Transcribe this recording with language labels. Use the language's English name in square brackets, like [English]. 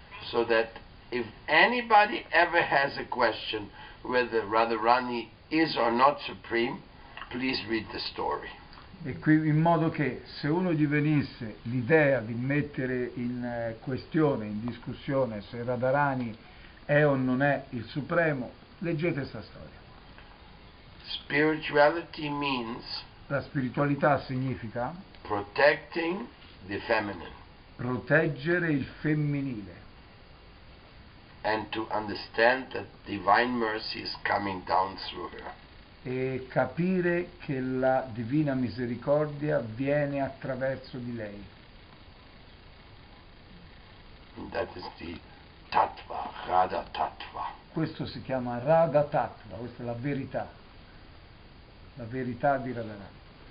[English] So that if anybody ever has a question whether Radharani is or not supreme, please read the story. [Italian] E qui in modo che se uno gli venisse l'idea di mettere in questione, in discussione, se Radharani è o non è il supremo, leggete questa storia. [English] Spirituality means. [Italian] La spiritualità significa [English] protecting the feminine. [Italian] Proteggere il femminile. [English] And to understand that divine mercy is coming down through her. [Italian] E capire che la divina misericordia viene attraverso di lei. [English] That is the tattva, Radha tattva. [Italian] Questo si chiama Radha tattva, questa è la verità di Radha.